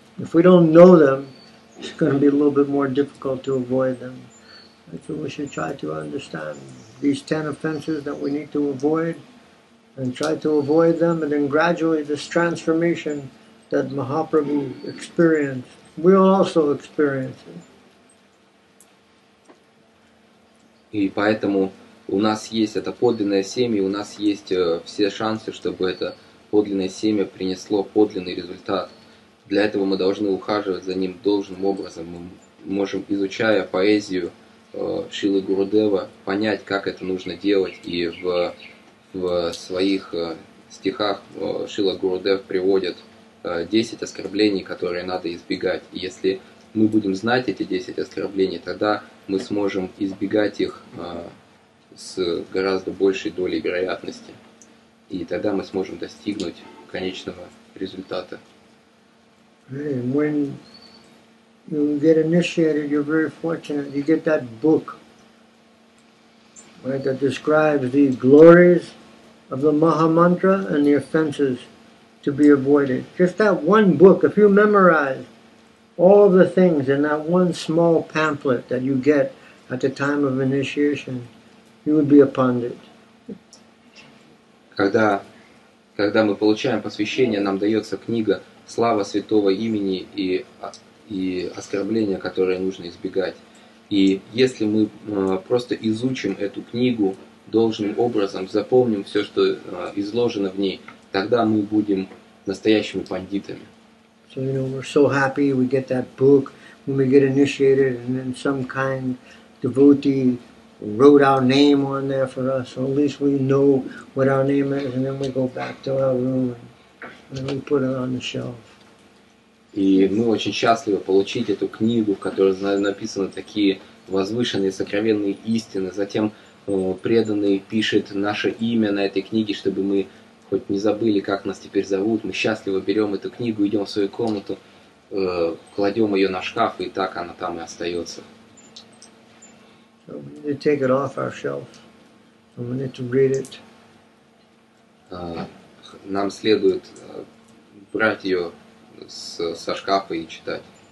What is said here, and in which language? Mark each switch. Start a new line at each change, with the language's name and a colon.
English: If we don't know them, it's going to be a little bit more difficult to avoid them. So we should try to understand these 10 offenses that we need to avoid and try to avoid them, and then gradually this transformation that Mahaprabhu experienced, we will also experience it.
Russian: И поэтому у нас есть это подлинное семя, и у нас есть все шансы, чтобы это подлинное семя принесло подлинный результат. Для этого мы должны ухаживать за ним должным образом. Мы можем, изучая поэзию Шилы Гурудева, понять, как это нужно делать. И в своих стихах Шила Гурудев приводит 10 оскорблений, которые надо избегать. И если мы будем знать эти 10 оскорблений, тогда мы сможем избегать их с гораздо большей долей вероятности. И тогда мы сможем достигнуть конечного результата.
English: And when you get initiated, you're very fortunate. You get that book, right, that describes the glories of the Maha Mantra and the offenses to be avoided. Just that one book, if you memorize all of the things in that one small pamphlet that you get at the time of initiation, you would be a pundit.
Russian: Когда мы получаем посвящение, нам дается книга «Слава святого имени и оскорбления, которые нужно избегать». И если мы просто изучим эту книгу должным образом, запомним все, что изложено в ней, тогда мы будем настоящими пандитами.
English: So, you know, we're so happy we get that book when we get initiated, and then some kind devotee wrote our name on there for us, so at least we know what our name is, and then we go back to our room and we put it on the shelf.
Russian: И мы очень счастливы получить эту книгу, в которой написаны такие возвышенные сокровенные истины. Затем преданный пишет наше имя на этой книге, чтобы мы хоть не забыли, как нас теперь зовут. Мы счастливо берем эту книгу, идем в свою комнату, кладем ее на шкаф, и так она там и остается.
English: So we need to take it off our shelf. So we need to read it.
Russian: Нам следует брать ее со шкафа и читать.